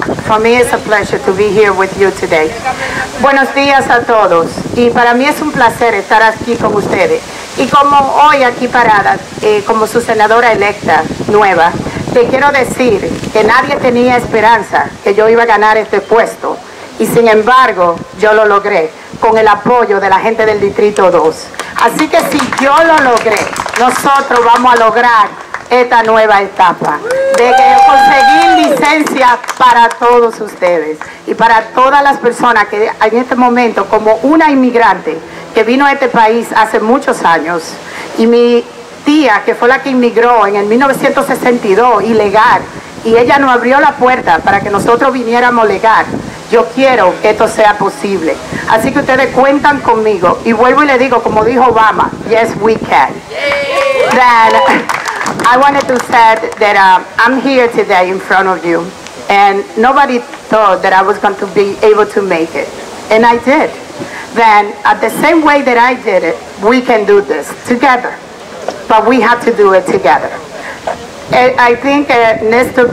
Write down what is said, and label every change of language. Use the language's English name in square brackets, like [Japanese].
[English] For me, it's a pleasure to be here with you today. [Spanish] Buenos días a todos. Y para mí es un placer estar aquí con ustedes. Y como hoy aquí parada, como su senadora electa nueva, te quiero decir que nadie tenía esperanza que yo iba a ganar este puesto. Y sin embargo, yo lo logré con el apoyo de la gente del Distrito 2. Así que si yo lo logré, nosotros vamos a lograr esta nueva etapa de conseguir licencia para todos ustedes y para todas las personas que en este momento, como una inmigrante que vino a este país hace muchos años, y mi tía, que fue la que inmigró en el 1962, ilegal, y ella nos abrió la puerta para que nosotros viniéramos legal. Yo quiero que esto sea posible. Así que ustedes cuentan conmigo. Y vuelvo y le digo, como dijo Obama, [English] yes, we can. Then, I wanted to say that I'm here today in front of you. And nobody thought that I was going to be able to make it. And I did. Then, at the same way that I did it, we can do this together. But we have to do it together. I think Mr.